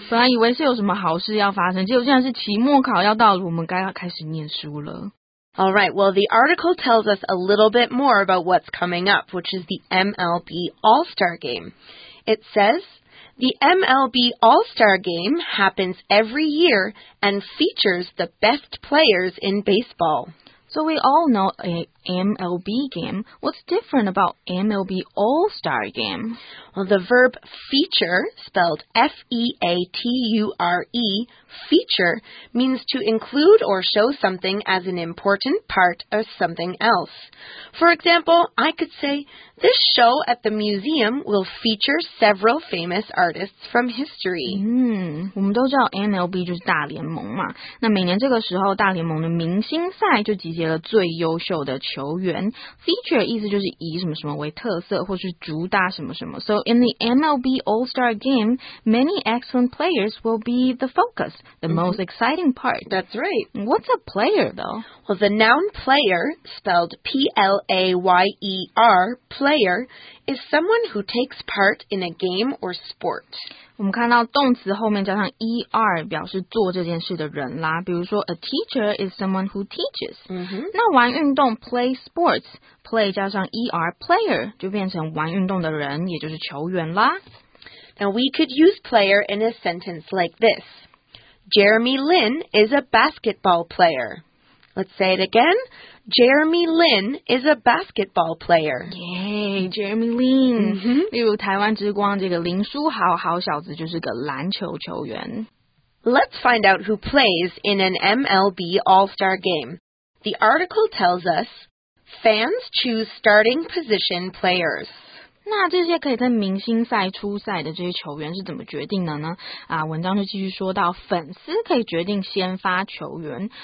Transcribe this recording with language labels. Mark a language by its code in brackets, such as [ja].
[zh] 本来以为是有什么好事要发生，结果竟然是期末考要到了，我们该要开始念书了。 [en] All right, well, the article tells us a little bit more about what's coming up, which is the MLB All-Star Game. It says, The MLB All-Star Game happens every year and features the best players in baseball. So we all know a MLB game. What's different about MLB All-Star Game? Well, the verb feature, spelled F-E-A-T-U-R-E, feature, means to include or show something as an important part of something else. For example, I could say, this show at the museum will feature several famous artists from history. [zh] 我们都知道 MLB 就是大联盟嘛。那每年这个时候，大联盟的明星赛就集结了最优秀的球员。 Feature 意思就是以什么什么为特色，或是主打什么什么。 [en] So in the MLB All-Star Game, many excellent players will be the focus, the most exciting part. That's right. What's a player, though? Well, the noun player, spelled P-L-A-Y-E-R, player, is someone who takes part in a game or sport. [zh] 我们看到动词后面加上 er 表示做这件事的人啦，比如说 [en] a teacher is someone who teaches、 mm-hmm. [zh] 那玩运动 [en] play sports [zh] play 加上 er player 就变成玩运动的人，也就是球员啦。 [en] Now we could use player in a sentence like this. Jeremy Lin is a basketball player. Let's say it again. Jeremy Lin is a basketball player. Yay, Jeremy Lin. Mm-hmm. [zh] 例如台湾之光这个林书豪好小子就是个篮球球员。 [en] Let's find out who plays in an MLB All-Star game. The article tells us, fans choose starting position players. [zh] 那这些可以在明星赛出赛的这些球员是怎么决定的呢？啊，文章就继续说到，粉丝可以决定先发球员。